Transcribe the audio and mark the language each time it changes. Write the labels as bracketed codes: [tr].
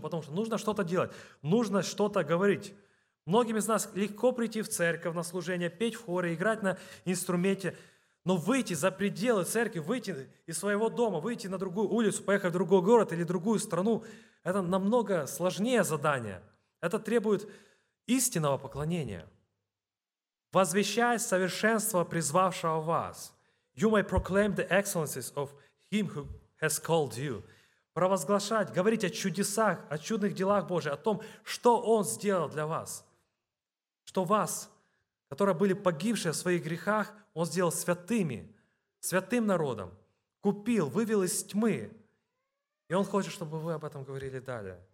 [ru] Потому что нужно что-то делать, нужно что-то говорить. Многим из нас легко прийти в церковь на служение, петь в хоре, играть на инструменте, но выйти за пределы церкви, выйти из своего дома, выйти на другую улицу, поехать в другой город или другую страну, это намного сложнее задание. Это требует истинного поклонения. «Возвещай совершенство призвавшего вас». [en] You may proclaim the excellencies of him who has called you. [ru] Провозглашать, говорить о чудесах, о чудных делах Божьих, о том, что Он сделал для вас. Что вас, которые были погибшие в своих грехах, Он сделал святыми, святым народом. Купил, вывел из тьмы. И Он хочет, чтобы вы об этом говорили далее.